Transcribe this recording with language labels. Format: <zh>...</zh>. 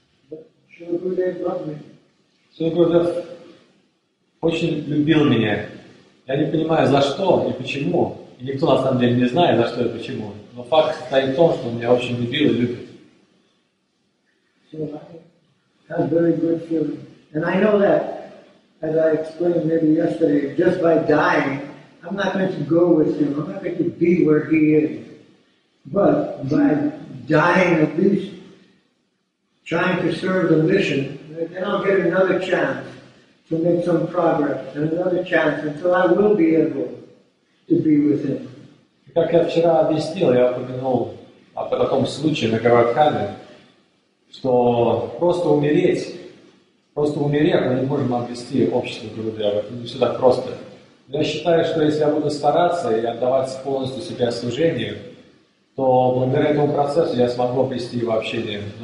<en>But Shri Gurudev loved me.</en> <ru>Shri Gurudev очень любил меня. Я не понимаю, за что и почему. И никто на самом деле не знает, за что и почему. Но факт состоит в том, что он меня очень любил и любит.</ru> <en>So I have very good feeling. And I know that, as I explained maybe yesterday, just by dying, I'm not going to go with him. I'm not going to be where he is. But by dying, at least trying to serve the mission, then I'll get another chance to make some progress and another chance until I will be able to be with him.</en> <ru>Как я вчера объяснил, я упомянул о таком случае на Гавардхане, что просто умереть мы не можем обрести общество Гурудева. Это не все так просто. Я считаю, что если я буду стараться и отдавать полностью себя служению, то благодаря этому процессу я смогу обрести его общение</ru>